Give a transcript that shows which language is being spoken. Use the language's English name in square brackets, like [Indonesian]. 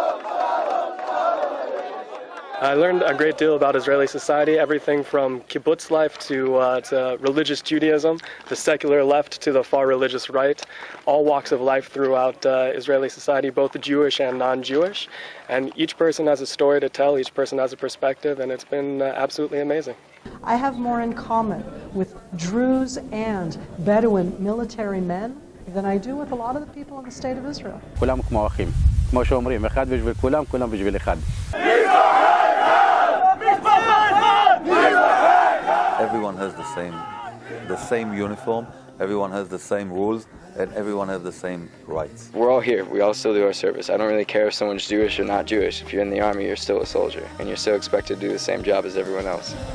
[English] I learned a great deal about Israeli society, everything from kibbutz life to religious Judaism, the secular left to the far religious right, all walks of life throughout Israeli society, both Jewish and non-Jewish. And each person has a story to tell, each person has a perspective, and it's been absolutely amazing. I have more in common with Druze and Bedouin military men than I do with a lot of the people in the state of Israel. [Hebrew] כולם כמו אחים, כמו שאומרים, אחד בשביל כולם, כולם בשביל אחד. [English] Everyone has the same uniform, everyone has the same rules, and everyone has the same rights. We're all here, we all still do our service. I don't really care if someone's Jewish or not Jewish. If you're in the army, you're still a soldier, and you're still expected to do the same job as everyone else.